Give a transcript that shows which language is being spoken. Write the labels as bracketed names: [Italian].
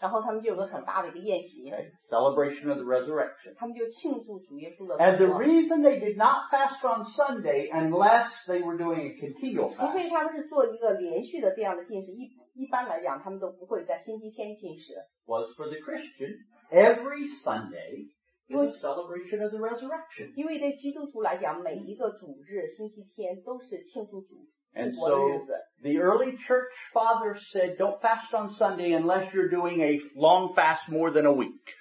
[Chinese] 然后他们就有个很大的一个宴席。 [English] Okay, celebration of the resurrection. [Chinese] 他们就庆祝主耶稣的复活。 [English] And the reason they did not fast on Sunday unless they were doing a continual fast. [Chinese] 除非他们是做一个连续的这样的禁食，一般来讲他们都不会在星期天禁食。 [English] Was for the Christian every Sunday. It was a celebration of the resurrection. [Chinese] 因为对基督徒来讲，每一个主日星期天都是庆祝主。 [English] And so the early church father said, don't fast on Sunday unless you're doing a long fast more than a week.